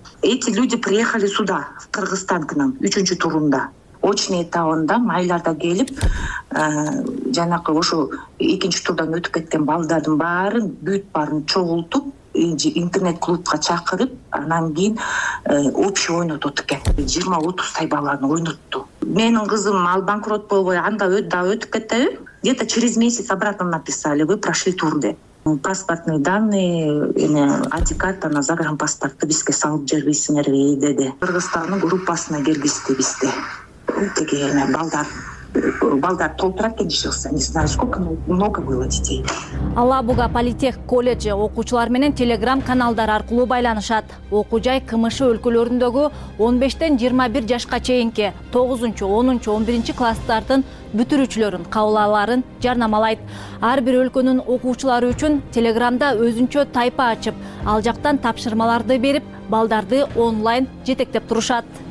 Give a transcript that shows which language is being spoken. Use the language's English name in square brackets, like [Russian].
[Kyrgyz] Эти люди приехали сюда, в Кыргызстан к нам, 3-чү турунда. Очный этабында майларда келип, жанакы ошо 2-чү турдан өтүп кеткен балдардын баарын, бүт баарын чогултуп, интернет-клубка чакырып, анан кийин общий ойнотот экен. 20-30 тай баланы ойнотту. Менин кызым ал банкрот болбой, анда да өтүп кетеби? [Russian] Где-то через месяц обратно написали, вы прошли тур де. Паспортные данные, адикарта на загранпаспортты [Kyrgyz] бизге салып жибисиңерби деди. Кыргызстандын группасына келгизди бизди. Тиги эме балдар толтурат кетишилса, [Russian] не знаю, сколько много было детей. [Kyrgyz] Алабуга политех коллежи окуучулар менен телеграм каналдар аркылуу байланышат. Окуу жай КМШ өлкөлөрүндөгү 15-21 жашка чейинки 9-10-11 класстардын бүтүрүүчүлөрүн кабыл алаарын жарнамалайт. Ар бир өлкөнүн окуучулары үчүн телеграмда өзүнчө тайпа ачып, ал жактан тапшырмаларды берип, балдарды онлайн жетектеп турушат.